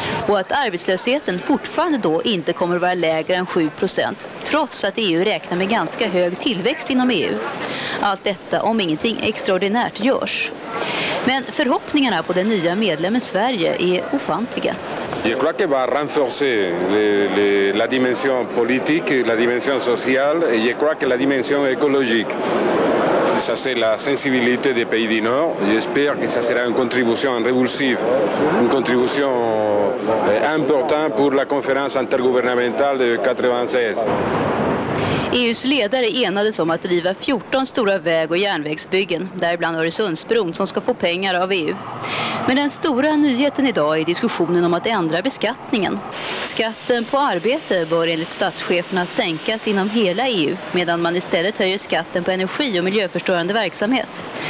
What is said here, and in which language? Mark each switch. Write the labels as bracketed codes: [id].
[sv] Och att arbetslösheten fortfarande då inte kommer vara lägre än 7%, trots att EU räknar med ganska hög tillväxt inom EU. Allt detta om ingenting extraordinärt görs. Men förhoppningarna på den nya medlemmen Sverige är ofantliga. [fr] Je crois que va renforcer la dimension politique, la dimension sociale et je crois que la dimension écologique. Ça c'est la sensibilité des pays du Nord. J'espère que ça sera une contribution révulsive, une contribution importante pour la conférence intergouvernementale de 96. [sv] EUs ledare enades om att driva 14 stora väg- och järnvägsbyggen, däribland Öresundsbron, som ska få pengar av EU. Men den stora nyheten idag är diskussionen om att ändra beskattningen. Skatten på arbete bör enligt statscheferna sänkas inom hela EU, medan man istället höjer skatten på energi- och miljöförstörande verksamhet.